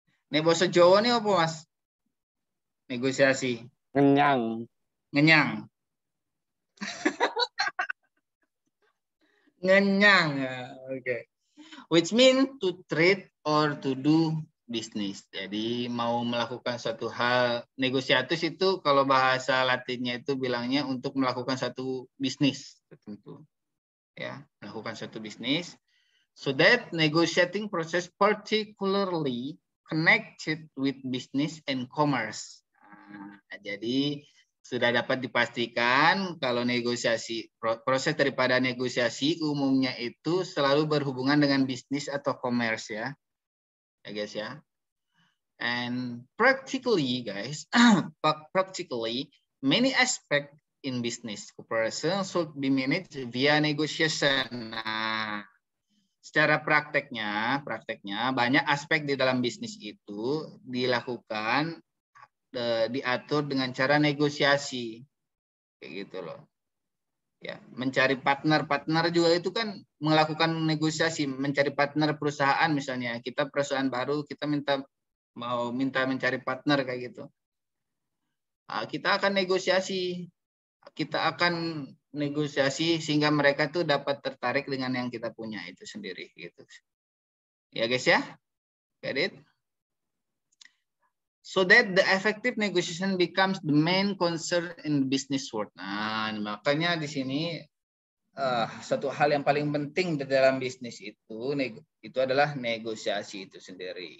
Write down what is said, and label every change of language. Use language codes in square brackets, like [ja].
[id] Nek bahasa Jawa ni apa, mas? Negosiasi. Ngenyang. Ngenyang. Ngenyang. Okay. [en] Which mean to trade or to do business. [id] Jadi mau melakukan suatu hal, negosiatus itu kalau bahasa Latinnya itu bilangnya untuk melakukan satu bisnis tertentu. Ya, melakukan suatu bisnis, [en] so that negotiating process particularly connected with business and commerce. [id] Nah, jadi sudah dapat dipastikan kalau negosiasi, proses daripada negosiasi umumnya itu selalu berhubungan dengan bisnis atau commerce, ya, [en] I guess, [id] ya. [en] And practically, guys, practically many aspects in business, cooperation should be managed via negotiation. [id] Nah, secara prakteknya banyak aspek di dalam bisnis itu dilakukan, diatur dengan cara negosiasi, kayak gitu loh. Ya, mencari partner juga itu kan melakukan negosiasi, mencari partner perusahaan misalnya. Kita perusahaan baru, kita mau mencari partner kayak gitu. Nah, kita akan negosiasi. Kita akan negosiasi sehingga mereka tuh dapat tertarik dengan yang kita punya itu sendiri, gitu. [en] Ya guys, ya, get it? So that the effective negotiation becomes the main concern in the business world. [id] Nah, makanya di sini satu hal yang paling penting di dalam bisnis itu adalah negosiasi itu sendiri.